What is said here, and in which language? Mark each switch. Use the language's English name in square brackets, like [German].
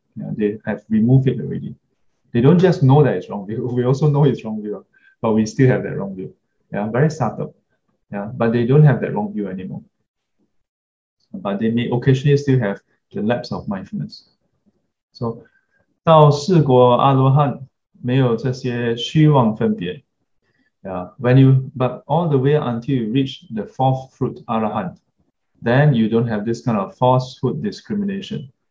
[English] Yeah, they have removed it already. They don't just know that it's wrong view. We also know it's wrong view, but we still have that wrong view. Yeah, very subtle. Yeah, but they don't have that wrong view anymore. But they may occasionally still have the lapse of mindfulness. [Chinese] So, 到四果阿罗汉没有这些虚妄分别. [English] Yeah, but all the way until you reach the fourth fruit, Arahant, then you don't have this kind of falsehood discrimination.